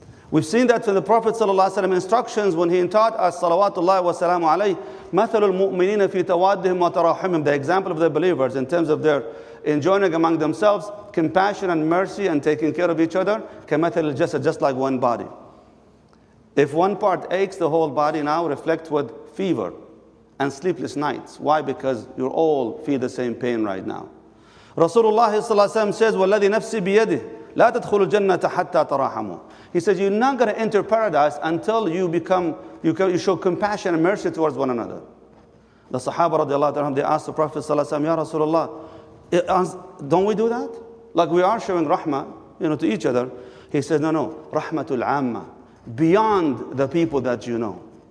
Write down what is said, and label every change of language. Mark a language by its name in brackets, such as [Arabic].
[English] We've seen that from the Prophet ﷺ instructions when he taught us, salawatullahi wa salamu alayhi, [Arabic] مَثَلُ الْمُؤْمِنِينَ فِي تَوَادِّهِمْ وَتَرَحِمِهِمْ, [English] the example of the believers in terms of their enjoying among themselves compassion and mercy and taking care of each other, [Arabic] كَمَثَلُ الْجَسَدِ, [English] just like one body. If one part aches, the whole body now reflects with fever and sleepless nights. Why? Because you all feel the same pain right now. Rasulullah ﷺ says, [Arabic] وَالَّذِي نَفْسِ بِيَدِهِ لَا تَدْخُلُ الْجَنَّةَ حَتَّى تَرَحَمُوا. [English] He says, you're not going to enter paradise until you show compassion and mercy towards one another. The Sahaba radiallahu anhu, they asked the Prophet sallallahu alaihi wasallam, Ya Rasulullah, don't we do that? Like we are showing rahmah, you know, to each other. He says, no, rahmatul amma, beyond the people that you know.